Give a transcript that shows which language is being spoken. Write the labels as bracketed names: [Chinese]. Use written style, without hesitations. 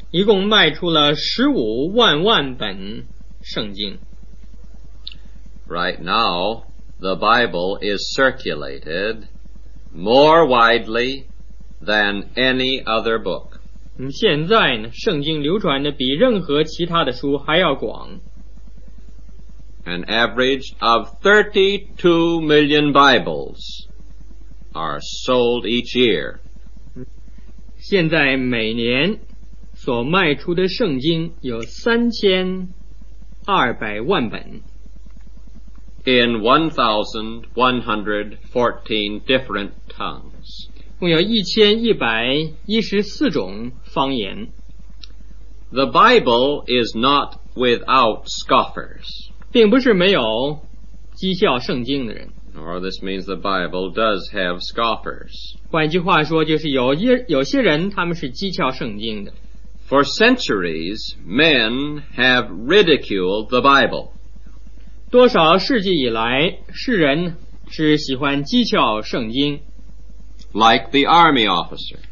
[Chinese] 一共卖出了15万万本圣经。 [English] Right now, the Bible is circulated more widely than any other book. [Chinese] 现在呢，圣经流传的比任何其他的书还要广。 [English] An average of 32 million Bibles are sold each year. [Chinese] 现在每年所卖出的圣经有3200万本。 [English] In 1,114 different tongues. [Chinese] 共有1,114种方言。 [English] The Bible is not without scoffers. [Chinese] 并不是没有讥笑圣经的人。 [English] Or this means the Bible does have scoffers. [Chinese] 换句话说就是有些人他们是讥笑圣经的。 [English] For centuries, men have ridiculed the Bible. [Chinese] 多少世纪以来世人是喜欢讥诮圣经 [English] Like the army officer